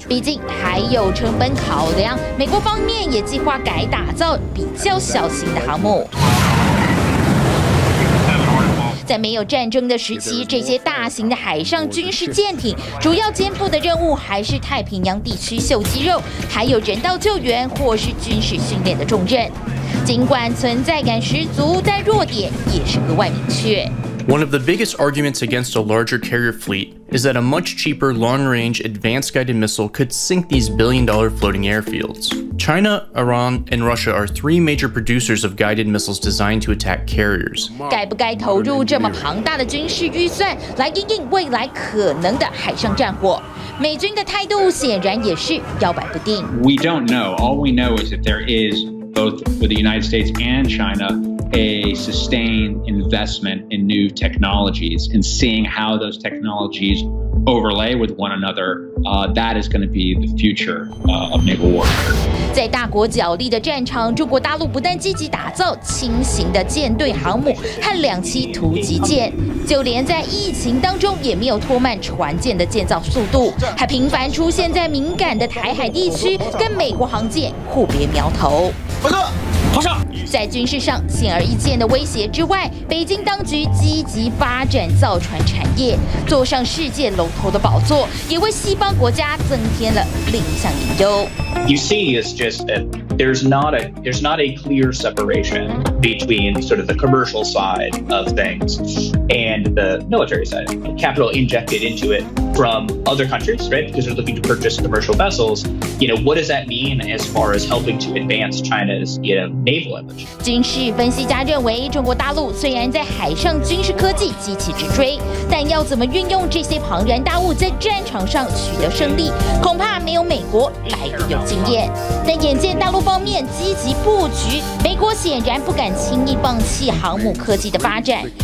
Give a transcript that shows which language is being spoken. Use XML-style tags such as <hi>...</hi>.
<zh>毕竟还有成本考量，美国方面也计划改打造比较小型的航母。在没有战争的时期，这些大型的海上军事舰艇主要肩负的任务还是太平洋地区秀肌肉，还有人道救援或是军事训练的重任。尽管存在感十足，但弱点也是格外明确。</zh> <en>One of the biggest arguments against a larger carrier fleet is that a much cheaper long-range advanced guided missile could sink these billion-dollar floating airfields. China, Iran, and Russia are three major producers of guided missiles designed to attack carriers.</en> <zh>该不该投入这么庞大的军事预算来应应未来可能的海上战火？美军的态度显然也是摇摆不定。</zh> <en>We don't know. All we know is that there is, both for the United States and China,A sustained investment in new technologies and seeing how those technologies overlay with one another, that is going to be the future of naval warfare.</en> <zh>在大国角力的战场，中国大陆不但积极打造轻型的舰队航母和两栖突击舰，就连在疫情当中也没有拖慢船舰的建造速度，还频繁出现在敏感的台海地区，跟美国航舰互别苗头。报告，皇上。在军事上显而易见的威胁之外，北京当局积极发展造船产业，坐上世界龙头的宝座，也为西方国家增添了另一项隐忧。</zh> <en>You see, it's just that there's not a clear separation between sort of the commercial side of things and the military side. Capital injected into it from other countries, right? Because they're looking to purchase commercial vessels. You know, what does that mean as far as helping to advance China's, you know, naval efforts?</en> <zh>军事分析家认为，中国大陆虽然在海上军事科技急起直追，但要怎么运用这些庞然大物在战场上取得胜利，恐怕没有美国来得有经验。但眼见大陆方面积极布局，美国显然不敢轻易放弃航母科技的发展。</zh>